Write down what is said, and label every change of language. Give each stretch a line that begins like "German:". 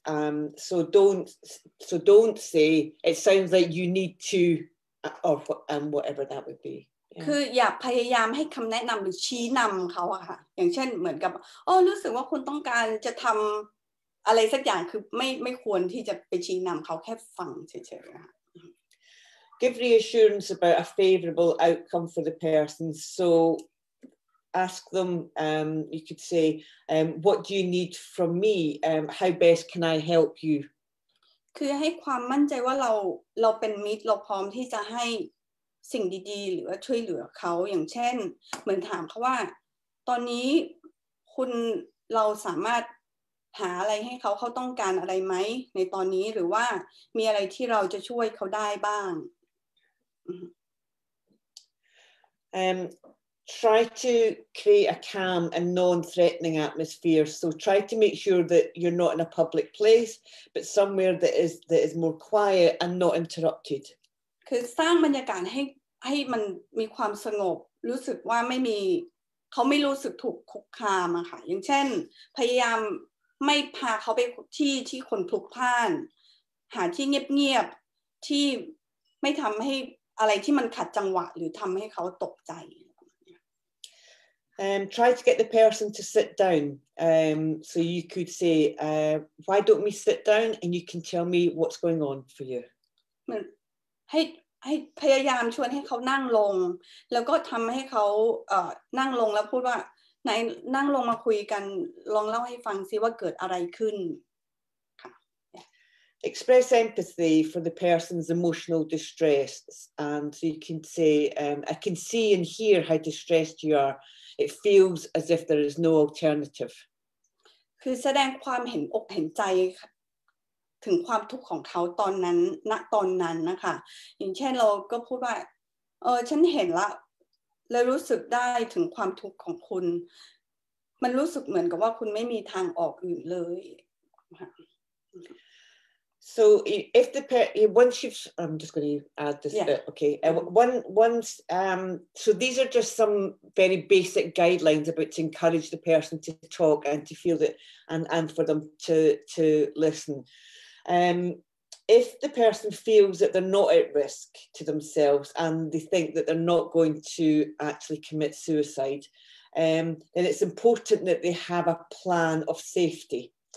English: So don't say it sounds like you need to, or whatever that would be.
Thai: คืออย่าพยายามให้คำแนะนำหรือชี้นำเขาอะค่ะอย่างเช่นเหมือนกับรู้สึกว่าคุณต้องการจะทำอะไรสักอย่างคือไม่ควรที่จะไปชี้นำเขาแค่ฟังเฉยๆค่ะ
English: Give reassurance about a favorable outcome for the person. So. Ask them, you could say, what do you need from me? How best can I help you?
Thai: คือให้ความมั่นใจว่าเราเป็นมิตรเราพร้อมที่จะให้สิ่งดีๆหรือว่าช่วยเหลือเขาอย่างเช่นเหมือนถามเขาว่าตอนนี้ค คุณเราสามารถหาอะไรให้เขาเขาต้องการอะไรไหมในตอนนี้หรือว่ามีอะไรที่เราจะช่วยเขาได้บ้าง
English: Try to create a calm and non-threatening atmosphere. So try to make sure that you're not in a public place, but somewhere that is more quiet and not interrupted.
Thai: คือสร้างบรรยากาศให้มันมีความสงบรู้สึกว่าไม่มีเขาไม่รู้สึกถูกคุกคามอะค่ะอย่างเช่นพยายามไม่พาเขาไปที่คนพลุกพล่านหาที่เงียบๆที่ไม่ทำให้อะไรที่มันขัดจังหวะหรือทำให้เขาตกใจ
English: Try to get the person to sit down. So you could say, why don't we sit down and you can tell me what's going on for you.
Thai: ให้พยายามชวนให้เขานั่งลงแล้วก็ทำให้เขานั่งลงแล้วพูดว่าไหนนั่งลงมาคุยกันลองเล่าให้ฟังซิว่าเกิดอะไรขึ้นค่ะ
English: Express empathy for the person's emotional distress and so you can say I can see and hear how distressed you are it feels as if there is no alternative
Thai: คือแสดงความเห็นอกเห็นใจถึงความทุกข์ของเขาตอนนั้นณตอนนั้นนะคะอย่างเช่นเราก็พูดว่าฉันเห็นละและรู้สึกได้ถึงความทุกข์ของคุณมันรู้สึกเหมือนกับว่าคุณไม่มีทางออกอื่นเลย
English: so if the once you've I'm just going to add this yeah. bit okay once so these are just some very basic guidelines about to encourage the person to talk and to feel that and for them to listen If the person feels that they're not at risk to themselves and they think that they're not going to actually commit suicide, then it's important that they have a plan of safety.